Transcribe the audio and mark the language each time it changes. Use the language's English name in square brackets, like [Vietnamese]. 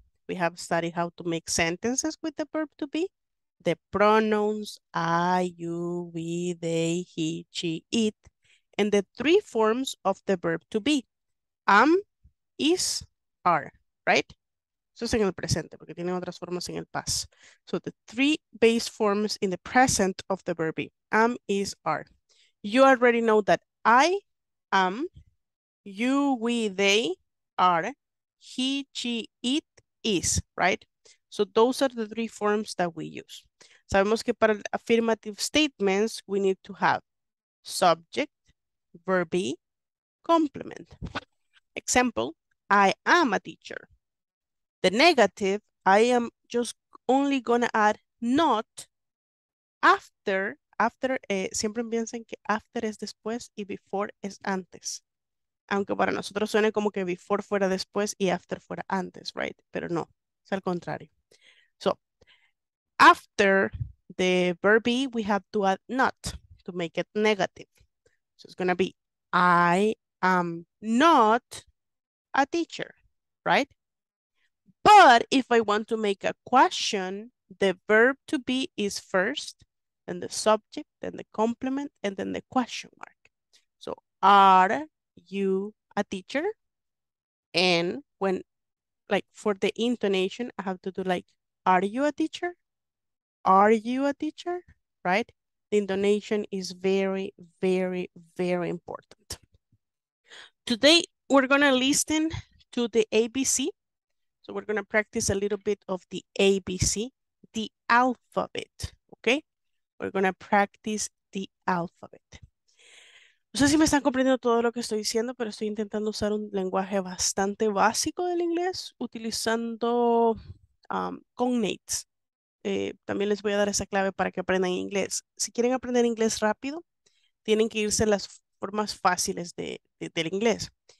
[English] We have studied how to make sentences with the verb to be. The pronouns, I, you, we, they, he, she, it. And the three forms of the verb to be. Am, is, are, right? [Spanish] Eso es en el presente, porque tiene otras formas en el past. [English] So the three base forms in the present of the verb be. Am, is, are. You already know that I am, you, we, they, are, he, she, it, is, right? So those are the three forms that we use. [Spanish] Sabemos que para [English] affirmative statements, we need to have subject, verb be, complement. Example, I am a teacher. The negative, I am just only gonna add not after. [Spanish] After, siempre piensen que after es después y before es antes. Aunque para nosotros suene como que before fuera después y after fuera antes, right? Pero no, es al contrario. [English] So, after the verb be, we have to add not to make it negative. So it's gonna be, I am not a teacher, right? But if I want to make a question, the verb to be is first, then the subject, then the complement, and then the question mark. So, are you a teacher? And when, like, for the intonation, I have to do, like, are you a teacher? Are you a teacher? Right? The intonation is very, very, very important. Today, we're going to listen to the ABC. So, we're going to practice a little bit of the ABC, the alphabet, okay? We're going to practice the alphabet. [Spanish] No sé si me están comprendiendo todo lo que estoy diciendo, pero estoy intentando usar un lenguaje bastante básico del inglés, utilizando cognates. También les voy a dar esa clave para que aprendan inglés. Si quieren aprender inglés rápido, tienen que irse a las formas fáciles del inglés.